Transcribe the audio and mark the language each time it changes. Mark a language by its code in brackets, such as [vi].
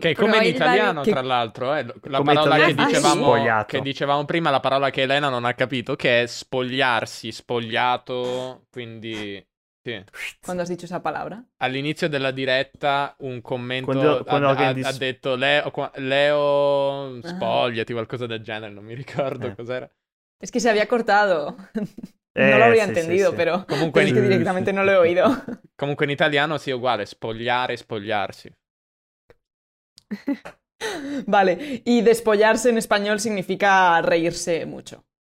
[it] Que come in italiano, tra l'altro, la parola che dicevamo prima, la parola che Elena non ha capito, che è spogliarsi, spogliato, quindi... Sì. [es] Quando has dicho esa palabra? [it] All'inizio della diretta un commento ha detto Leo spogliati, qualcosa del genere, non mi ricordo cos'era. [es] Es que se había cortado. No lo había entendido. Pero comunque directamente no lo he oído. [it] Comunque [es] en italiano sí, [it] uguale, spogliare, spogliarsi. [es] Vale, y despollarse en español significa reírse mucho.